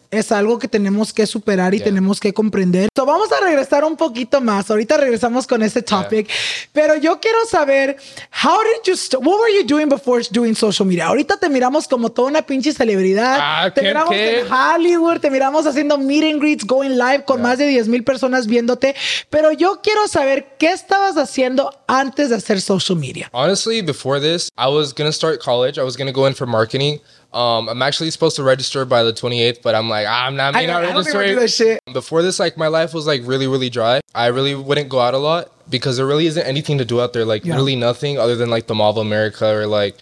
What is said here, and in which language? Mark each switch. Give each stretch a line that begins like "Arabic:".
Spanish: Es algo que tenemos que superar y tenemos que comprender. So vamos a regresar un poquito más. Ahorita regresamos con este topic. Pero yo quiero saber,
English: how did you what were you doing before doing social media?
Spanish: Ahorita te miramos como toda una pinche celebridad. Ah, te Kim, miramos Kim en Hollywood. Te miramos haciendo meet and greets,
English: going live
Spanish: con más de 10,000 personas viéndote. Pero yo quiero saber, ¿qué estabas haciendo antes de hacer social media?
English: Honestly, before this, I was going to start college. I was going to go in for marketing. I'm actually supposed to register by the 28th, but I'm like, I'm not going to register. I don't do that shit. Before this, like, my life was like really, really dry. I really wouldn't go out a lot because there really isn't anything to do out there. Like, really nothing other than like the Mall of America or like.